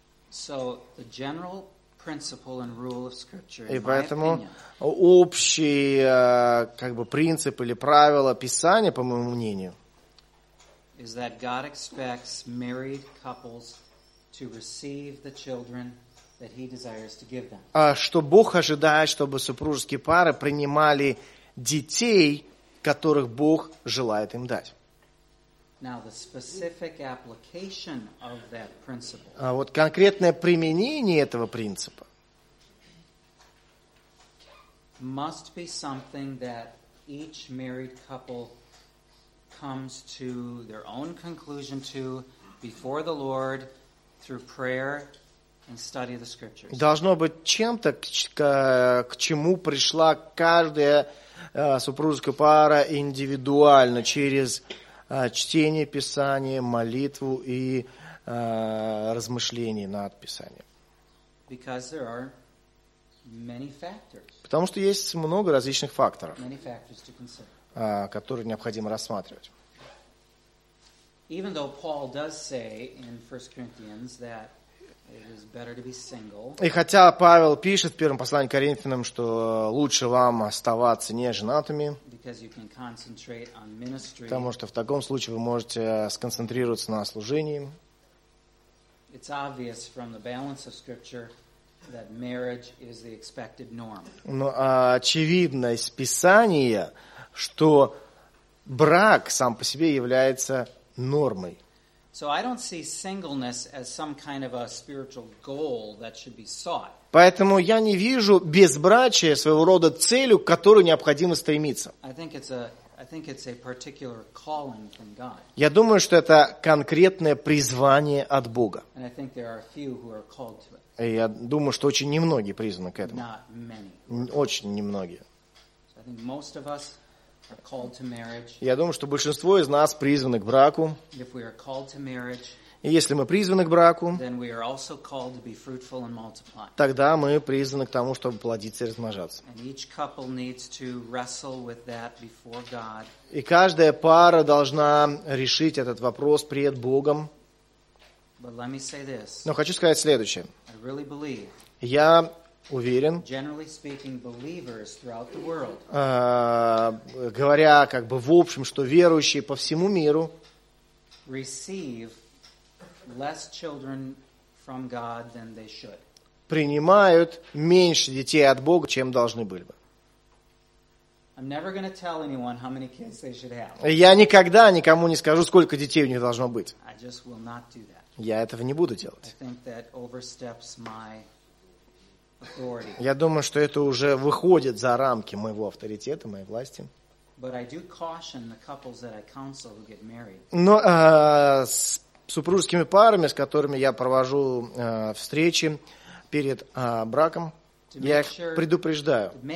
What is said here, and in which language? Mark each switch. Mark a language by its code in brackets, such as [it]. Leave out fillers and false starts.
[en] So, the general principle and rule of scripture, [ru] и поэтому [en] opinion, [ru] общий как бы принцип или правило Писания, по моему мнению, [en] is that God expects married couples to receive the children that he desires to give them. [ru] Что Бог ожидает, чтобы супружеские пары принимали детей, которых Бог желает им дать. [en] Now the specific application of that principle. [ru] Вот конкретное применение этого принципа [en] must be something that each married couple comes to their own conclusion to before the Lord through prayer and study of the scriptures. [ru] Должно быть чем-то, к чему пришла каждая супружеская пара индивидуально через чтение Писания, молитву и размышления над Писанием. [en] Because there are many factors. [ru] Потому что есть много различных факторов, [en] many factors to consider, [ru] которые необходимо рассматривать. [en] Even though Paul does say in 1 Corinthians that it is better to be single. [ru] И хотя Павел пишет в первом послании к Коринфянам, что лучше вам оставаться неженатыми. [en] Because you can concentrate on ministry. [ru] Потому что в таком случае вы можете сконцентрироваться на служении. [en] It's obvious from the balance of Scripture that marriage is the expected norm. [ru] Но очевидно из Писания, что брак сам по себе является нормой. [en] So I don't see singleness as some kind of a spiritual goal that should be sought. [ru] Поэтому я не вижу безбрачие своего рода целью, к которой необходимо стремиться. [en] I think it's a particular calling from God. [ru] Я думаю, что это конкретное призвание от Бога. [en] And I think there are a few who are called to it. [ru] И я думаю, что очень немногие призваны к этому. [en] Not many. [ru] Очень немногие. [en] So I think most of us are called to marriage. [ru] Я думаю, что большинство из нас призваны к браку. [en] If we are called to marriage, [ru] и если мы призваны к браку, [en] then we are also called to be fruitful and multiply. [ru] Тогда мы призваны к тому, чтобы плодиться и размножаться. [en] And each couple needs to wrestle with that before God. [ru] И каждая пара должна решить этот вопрос пред Богом. [en] But let me say this. [ru] Но хочу сказать следующее. [en] I really believe. [ru] Я уверен. [en] Generally speaking, believers throughout the world. [ru] Говоря как бы в общем, что верующие по всему миру [en] receive less children from God than they should. [ru] Принимают меньше детей от Бога, чем должны были бы. [en] I'm never going to tell anyone how many kids they should have. [ru] Я никогда никому не скажу, сколько детей у них должно быть. [en] I just will not do that. [ru] Я этого не буду делать. [en] I think that oversteps my authority. [ru] Я думаю, что это уже выходит за рамки моего авторитета, моей власти. [en] But I do caution the couples that I counsel who get married. [ru] Но супружескими парами, с которыми я провожу встречи перед браком, я их предупреждаю,